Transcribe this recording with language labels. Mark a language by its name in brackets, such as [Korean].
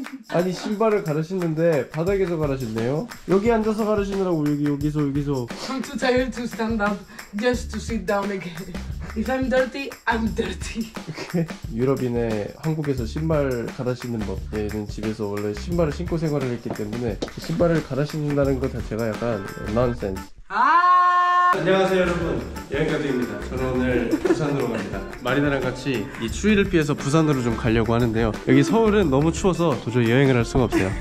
[Korean] 아니 신발을 갈아 신는데 바닥에서 갈아 신네요. 여기 앉아서 갈아 신으라고 여기서. [English] I'm too tired to stand up. Just to sit down again. If I'm dirty, I'm dirty. [Korean] 유럽인의 한국에서 신발 갈아 신는 법. 얘는 집에서 원래 신발을 신고 생활을 했기 때문에 신발을 갈아 신는다는 것 자체가 약간 nonsense. 아. 안녕하세요 여러분, 여행가드입니다. 저는 오늘 부산으로 갑니다. 마리나랑 같이 이 추위를 피해서 부산으로 좀 가려고 하는데요, 여기 서울은 너무 추워서 도저히 여행을 할 수가 없어요.